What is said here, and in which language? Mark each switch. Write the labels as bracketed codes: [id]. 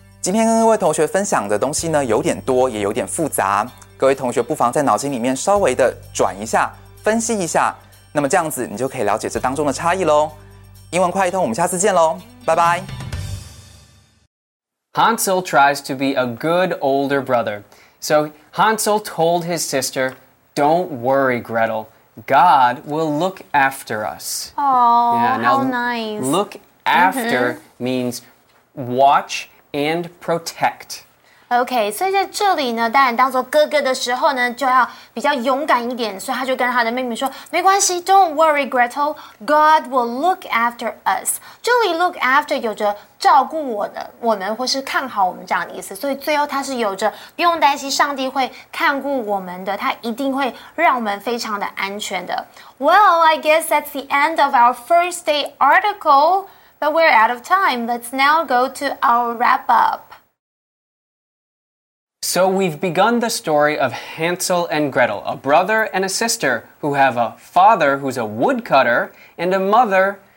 [zh] 今天跟各位同学分享的东西呢，有点多也有点复杂，各位同学不妨在脑筋里面稍微的转一下，分析一下，那么这样子你就可以了解这当中的差异咯。英文快通，我们下次见咯，拜拜。 [en] Hansel tries to be a good older brother. So Hansel told his sister, Don't worry, Gretel. God will look after us. Oh, yeah, now, how nice. Look after、mm-hmm. means watch and protect. [zh] Okay, 所以在这里呢，当然当做哥哥的时候呢，就要比较勇敢一点。所以他就跟他的妹妹说，没关系 ， [en] Don't worry, Gretel. God will look after us. [zh] 这里 look after 有着照顾我们或是看好我们这样的意思，所以最后他是有着不用担心上帝会看顾我们的，他一定会让我们非常的安全的。 [en] Well, I guess that's the end of our first day article, but we're out of time. Let's now go to our wrap up. So we've begun the story of Hansel and Gretel, a brother and a sister who have a father who's a woodcutter and a mother.